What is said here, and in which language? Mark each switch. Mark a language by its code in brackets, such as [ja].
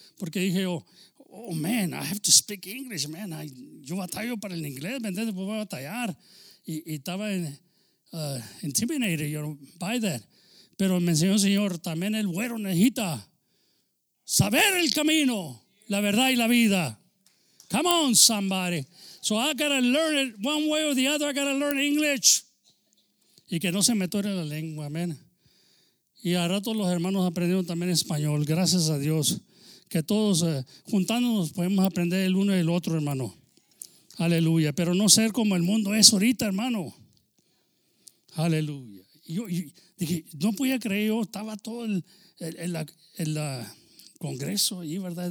[es] Porque dije yo, [en] oh, man, I have to speak English, man. [es] Yo batallo para el inglés, ¿me entiendes? Pues voy a batallar. Y estaba [en] intimidated, you know, by that. [es] Pero me enseñó el Señor, también el güero necesita saber el camino, la verdad y la vida. [en] Come on, somebody. So I gotta learn it one way or the other. I gotta learn English. [es] Y que no se me tore la lengua, amén. Y a rato los hermanos aprendieron también español. Gracias a Dios. Que todos juntándonos podemos aprender el uno y el otro, hermano. Aleluya. Pero no ser como el mundo es ahorita, hermano. Aleluya. Yo dije, no podía creer. Yo estaba todo el congreso allí, ¿verdad?